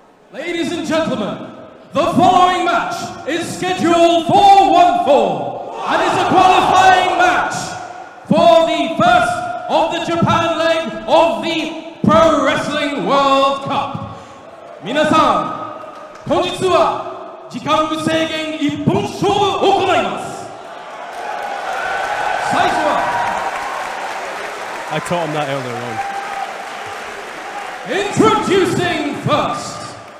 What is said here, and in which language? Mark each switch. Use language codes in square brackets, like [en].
[en] Ladies and gentlemen, the following match is scheduled for 1-4 and is a qualifying match for the first of the Japan leg of the Pro Wrestling World Cup. [ja] 皆さん、本日は時間無制限一本勝負を行います。最初は [en] I taught him that earlier on. Introducing first,